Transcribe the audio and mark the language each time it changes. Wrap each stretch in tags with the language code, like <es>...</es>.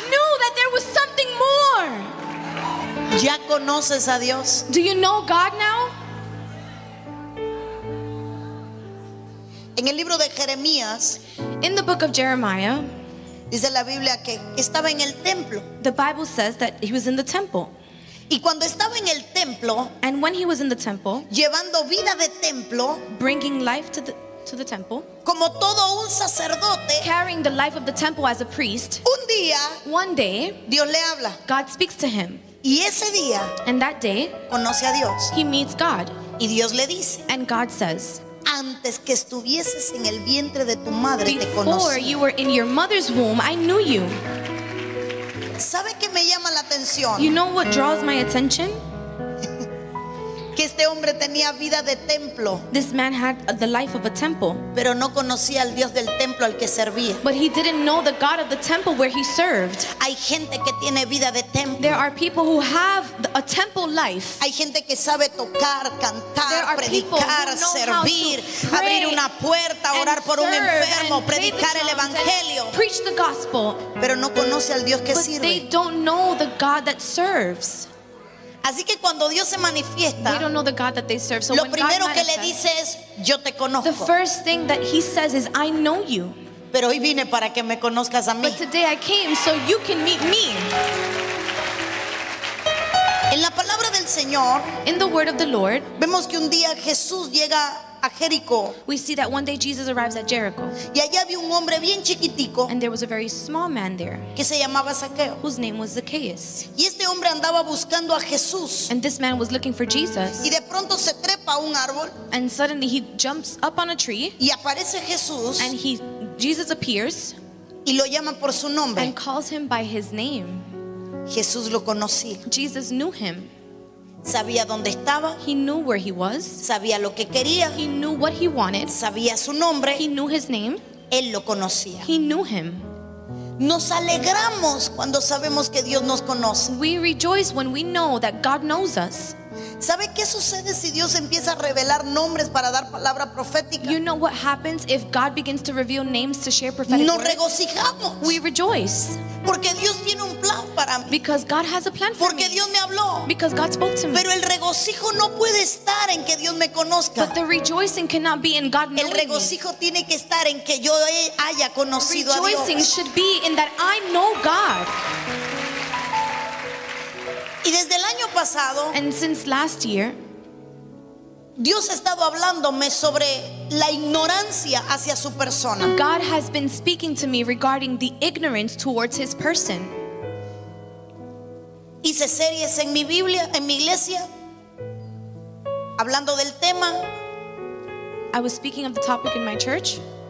<en>Knew that there was something more.</en> <es>¿Ya conoces a Dios?</es> <en>Do you know God now?</en> <es>En el libro de Jeremías,</es> <en>in the book of Jeremiah,</en> <es>dice la Biblia que estaba en el templo.</es> <en>The Bible says that he was in the temple.</en> <es>Y cuando estaba en el templo,</es> <en>and when he was in the temple,</en> <es>llevando vida de templo,</es> <en>bringing life to the temple,</en> <es>como todo un sacerdote,</es> <en>carrying the life of the temple as a priest,</en> <es>un día,</es> <en>one day,</en> <es>Dios le habla,</es> <en>God speaks to him,</en> <es>y ese día,</es> <en>and that day,</en> <es>conoce a Dios,</es> <en>he meets God,</en> <es>y Dios le dice,</es> <en>and God says,</en> <es>antes que estuvieses en el vientre de tu madre, te conocí.</es> <en>Before you were in your mother's womb, I knew you.</en> <es>¿Sabe qué me llama la atención?</es> <en>You know what draws my attention?</en> <es>Que este hombre tenía vida de templo.</es> <en>This man had the life of a temple.</en> <es>Pero no conocía al Dios del templo al que servía.</es> <en>But he didn't know the God of the temple where he served.</en> <es>Hay gente que tiene vida de templo.</es> <en>There are people who have a temple life.</en> <es>Hay gente que sabe tocar, cantar, predicar, servir, abrir una puerta, orar por un enfermo, predicar el evangelio.</es> <en>Preach the gospel.</en> <es>Pero no conoce al Dios que sirve.</es> <en>But they don't know the God that serves.</en> <es>Así que cuando Dios se manifiesta,</es> <en>we don't know the God that they serve. So</en> <es>lo primero que le dice es, yo te conozco.</es> <en>The first thing that he says is, I know you.</en> <es>Pero hoy vine para que me conozcas a mí.</es> <en>But today I came so you can meet me.</en> <es>En la palabra del Señor,</es> <en>in the word of the Lord,</en> <es>vemos que un día Jesús llega a Jericó.</es> <en>We see that one day Jesus arrives at Jericho.</en> <es>Y allá había un hombre bien chiquitico.</es> <en>And there was a very small man there.</en> <es>Que se llamaba Zaqueo.</es> <en>Whose name was Zacchaeus.</en> <es>Y este hombre andaba buscando a Jesús.</es> <en>And this man was looking for Jesus.</en> <es>Y de pronto se trepa a un árbol.</es> <en>And suddenly he jumps up on a tree.</en> <es>Y aparece Jesús.</es> <en>And he, Jesus appears.</en> <es>Y lo llama por su nombre.</es> <en>And calls him by his name.</en> <es>Jesús lo conocía.</es> <en>Jesus knew him.</en> <es>Sabía dónde estaba.</es> <en>He knew where he was.</en> <es>Sabía lo que quería.</es> <en>He knew what he wanted.</en> <es>Sabía su nombre.</es> <en>He knew his name.</en> <es>Él lo conocía.</es> <en>He knew him.</en> <es>Nos alegramos cuando sabemos que Dios nos conoce.</es> <en>We rejoice when we know that God knows us.</en> <es>¿Sabe qué sucede si Dios empieza a revelar nombres para dar palabra profética?</es> <en>You know what happens if God begins to reveal names to share prophetic words?</en> <es>Nos regocijamos.</es> <en>We rejoice.</en> <es>Porque Dios tiene un plan para mí.</es> <en>Because God has a plan for me.</en> <es>Porque Dios me habló.</es> <en>Because God spoke to me.</en> <es>Pero el regocijo no puede estar en que Dios me conozca.</es> <en>But the rejoicing cannot be in God knowing me.</en> <es>El regocijo tiene que estar en que yo haya conocido a Dios.</es> <en>Rejoicing should be in that I know God.</en> <es>Y desde el año pasado,</es> <en>and since last year,</en> <es>Dios ha estado hablándome sobre la ignorancia hacia su persona.</es> <en>God has been speaking to me regarding the ignorance towards his person.</en> <es>Hice series en mi Biblia, en mi iglesia, hablando del tema.</es> <en>I was speaking of the topic in my church.</en>